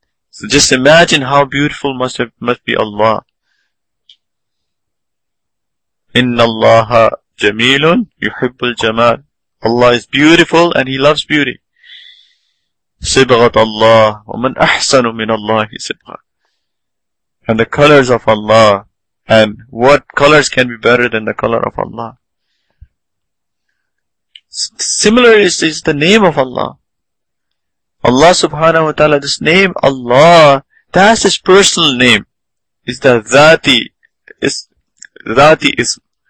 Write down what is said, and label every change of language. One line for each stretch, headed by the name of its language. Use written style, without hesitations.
English: So just imagine how beautiful must be Allah.
Arabic: إِنَّ اللَّهَ جَمِيلٌ يُحِبُّ الْجَمَالِ
English: Allah is beautiful and He loves beauty.
Arabic: صِبْغَةَ اللَّهِ وَمَنْ أَحْسَنُ مِنَ اللَّهِ صِبْغَةِ
English: And the colors of Allah. And what colors can be better than the color of Allah? Similar is the name of Allah. Allah subhanahu wa ta'ala, this name Allah, that's His personal name. It's the Dhati ism.